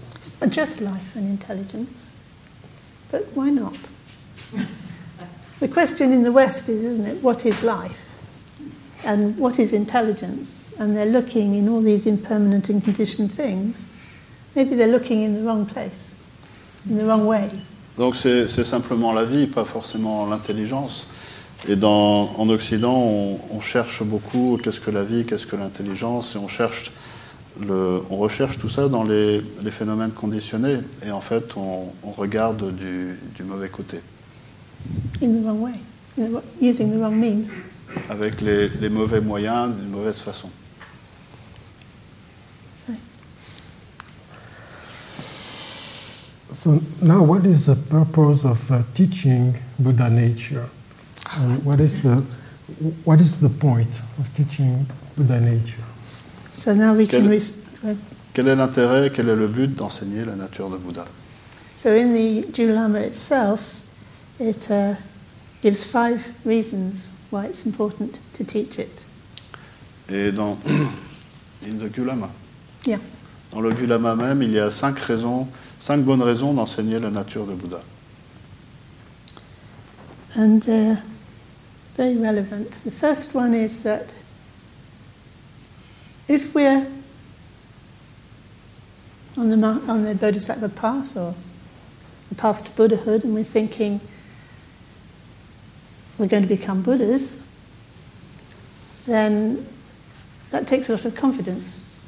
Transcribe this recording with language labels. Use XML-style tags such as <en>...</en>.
<en>It's not just life and intelligence. But why not? The question in the West is, isn't it, what is life? And what is intelligence? And they're looking in all these impermanent and conditioned things. Maybe they're looking in the wrong place, in the wrong way.</en> <fr>Donc c'est simplement la vie, pas forcément l'intelligence. Et en Occident, on cherche beaucoup qu'est-ce que la vie, qu'est-ce que l'intelligence, et on recherche tout ça dans les phénomènes conditionnés, et en fait, on regarde du mauvais côté.</fr> <en>In the wrong way, using the wrong means.</en> <fr>Avec les mauvais moyens, d'une mauvaise façon.</fr> <en>So now, what is the purpose of teaching Buddha nature? And what is the point of teaching Buddha nature? So now we can.</en> <fr>Quel est l'intérêt, quel est le but d'enseigner la nature de Bouddha?</fr> <en>So in the Dulama itself, it gives 5 reasons why it's important to teach it.</en> <fr>Et dans</fr> <en>in the</en> <fr>Dulama. Yeah. Dans le Dulama même, il y a 5 raisons, 5 bonnes raisons d'enseigner la nature de Bouddha.</fr> <en>And very relevant. The first one is that if we're on the Bodhisattva path or the path to Buddhahood and we're thinking we're going to become Buddhas, then that takes a lot of confidence.</en>